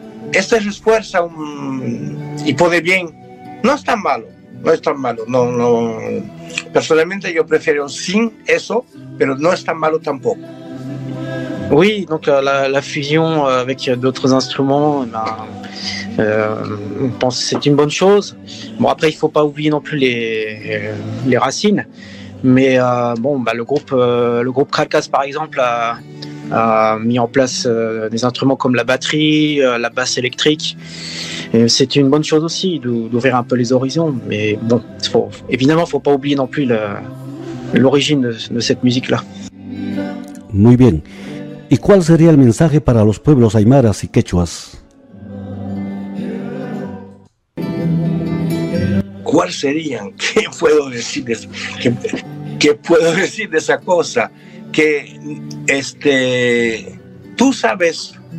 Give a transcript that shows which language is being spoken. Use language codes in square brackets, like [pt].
[es] Esto es refuerza y puede bien. No es tan malo, no. Personalmente yo prefiero sin eso, pero no es tan malo tampoco. [fr] Oui, donc la fusion avec d'autres instruments, on pense que c'est une bonne chose. Bon, après, il ne faut pas oublier non plus les racines. Mais le groupe Carcas, par exemple, a mis en place des instruments comme la batterie, la basse électrique. Et c'est une bonne chose aussi d'ouvrir un peu les horizons. Mais bon, faut pas oublier non plus l'origine de cette musique-là. [es] Muy bien. ¿Y cuál sería el mensaje para los pueblos aymaras y quechuas? ¿Cuál serían? ¿Qué puedo decir de eso? ¿Qué puedo decir de esa cosa? Que tú sabes